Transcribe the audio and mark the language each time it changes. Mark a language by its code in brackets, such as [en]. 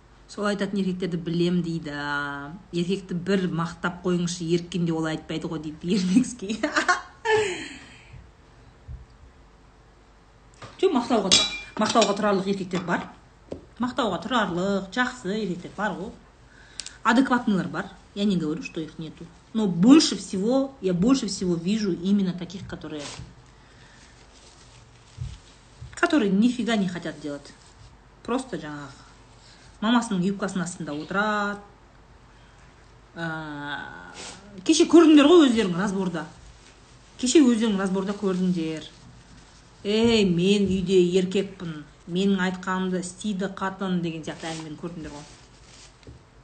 [kk] Сол айтатын еркектерді білем дейді. Еркекті бір мақтап қойыңызшы, еркенде олай айтпайды ғой дейді Ермекский. Жоқ, мақтауға тұрарлық еркектер бар. Мақтауға тұрарлық, жақсы еркектер бар ғой. Адекватнылар бар. [ru] Я не говорю, что их нету. Но больше всего, я больше всего вижу именно таких, которые нифига не хотят делать. [kk] Просто жаңағы. Мамасының юбкасының астында отырады. Кеше көрдіңдер ғой өздерің разборда. Кеше өздерің разборда көрдіңдер. Ей, мен үйде еркекпін. Менің айтқанымды істейді қатын деген сияқты әңгімені көрдіңдер ғой.